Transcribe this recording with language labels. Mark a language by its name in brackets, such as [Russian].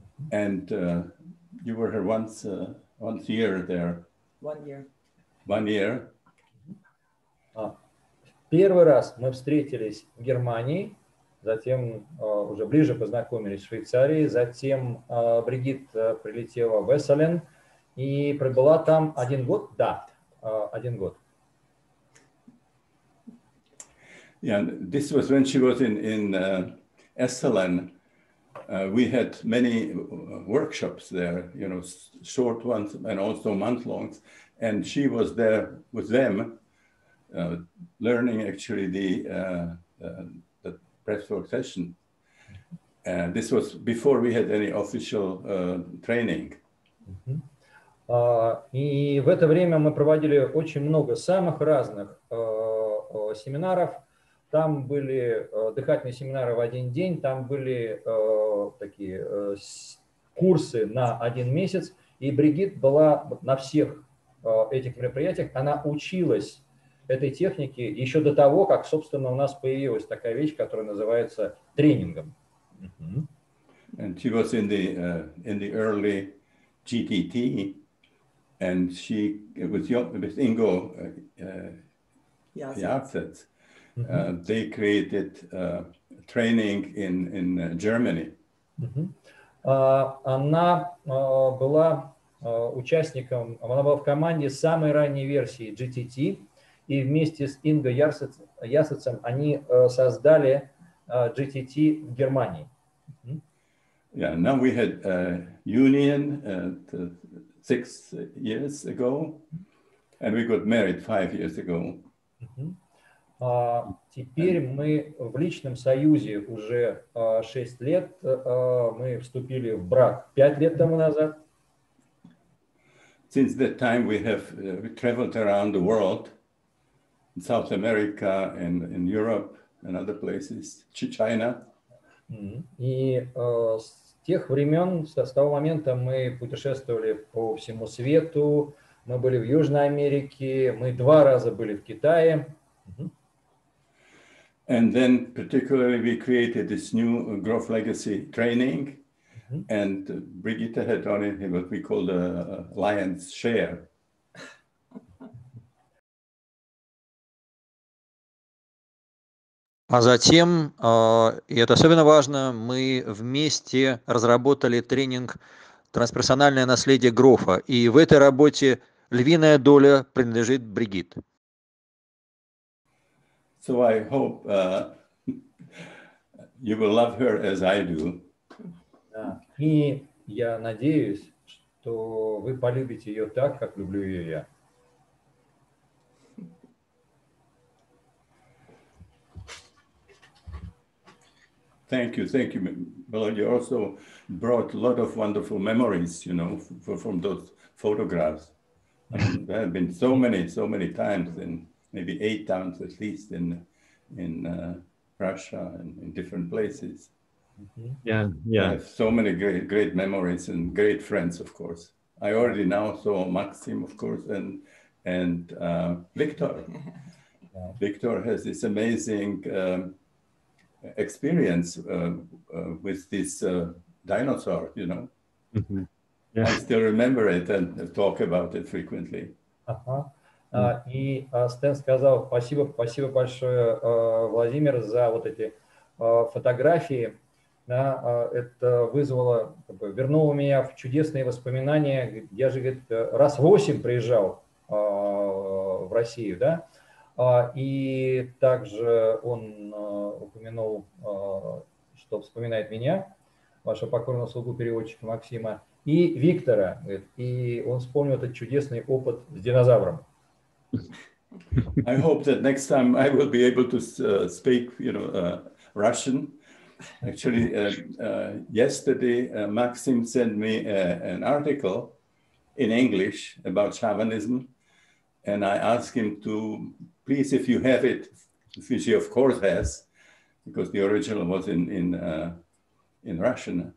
[English] And you were here once a year there. One year. Okay. [Russian] Первый раз мы встретились в Германии, затем уже ближе познакомились в Швейцарии, затем Бригит прилетела в Эсселен и пробыла там один год. Да, один год. [English] Yeah, and this was when she was in Esselen. We had many workshops there, you know, short ones and also month longs. And she was there with them, learning actually the breathwork session. And this was before we had any official training. [Russian] И в это время мы проводили очень много самых разных семинаров. Там были дыхательные семинары в один день, там были такие курсы на один месяц, и Бригит была на всех этих мероприятиях. Она училась этой технике еще до того, как, собственно, у нас появилась такая вещь, которая называется тренингом. [English] And she was in the early GTT, and she with Ingo Jartzet. They created training in Germany. [Russian] Она была участником, она была в команде самой ранней версии GTT, и вместе с Инго Ярсетсом они создали GTT в Германии. [English] Yeah, now we had a union 6 years ago, and we got married 5 years ago. [Russian] Теперь мы в личном союзе уже 6 лет, мы вступили в брак 5 лет тому назад. [English] Since that time we have we traveled around the world, in South America, in Europe, and other places, China. [Russian] И с тех времен, с того момента мы путешествовали по всему свету, мы были в Южной Америке, мы 2 раза были в Китае. [English] And then particularly we created this new Grof legacy training and Brigitte had done it, what we call the lion's share. [Russian] А затем, и это особенно важно, мы вместе разработали тренинг «Трансперсональное наследие Грофа», и в этой работе львиная доля принадлежит Бригитте. [English] So I hope you will love her as I do. [Russian] И я надеюсь, что вы полюбите ее так, как люблю ее я. [English] Thank you. Well, you also brought a lot of wonderful memories, you know, from those photographs. There have been so many times in maybe 8 times at least in Russia and in different places. Yeah. I have so many great memories and great friends, of course. I already now saw Maxim, of course, and Victor. Yeah. Victor has this amazing experience with this dinosaur, you know. Mm-hmm. Yeah. I still remember it and talk about it frequently. Uh-huh. [Russian] И Стэн сказал, спасибо большое, Владимир, за вот эти фотографии. Да, это вызвало, как бы, вернуло меня в чудесные воспоминания. Я же, говорит, раз 8 приезжал в Россию, да? И также он упомянул, что вспоминает меня, вашего покорного слугу-переводчика Максима. и Виктора. И он вспомнил этот чудесный опыт с динозавром. [English] I hope that next time I will be able to speak, you know, Russian. Actually, yesterday Maxim sent me an article in English about shamanism, and I asked him to please, if you have it, which he of course has, because the original was in Russian.